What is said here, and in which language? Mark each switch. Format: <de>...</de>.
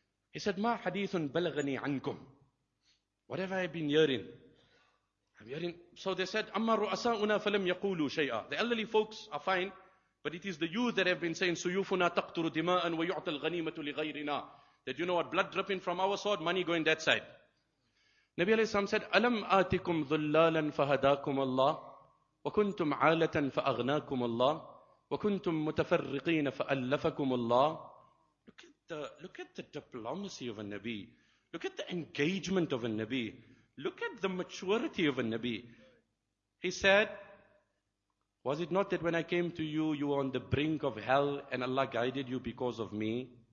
<en>He said,</en> <ar>ma hadithun balagani ankum.</ar> <en>What have I been hearing? So they said,</en> <ar>amma ru'asa'una falam yaqulu shay'a.</ar> <en>The elderly folks are fine. But it is the youth that have been saying,</en> <ar>سُيُوفُنَا تَقْتُرُ دِمَاءً وَيُعْتَ الْغَنِيمَةُ لِغَيْرِنَا.</ar> <en>That you know what, blood dripping from our sword, money going that side. Nabi alayhi salam said,</en> <ar>أَلَمْ آتِكُمْ ذُلَّالًا فَهَدَاكُمُ اللَّهِ وَكُنْتُمْ عَالَةً فَأَغْنَاكُمُ اللَّهِ وَكُنْتُمْ مُتَفَرِّقِينَ فَأَلَّفَكُمُ اللَّهِ.</ar> <en>Look at the diplomacy of a Nabi. Look at the engagement of a Nabi. Look at the maturity of a Nabi. He said, was it not that when I came to you, you were on the brink of hell and Allah guided you because of me?</en>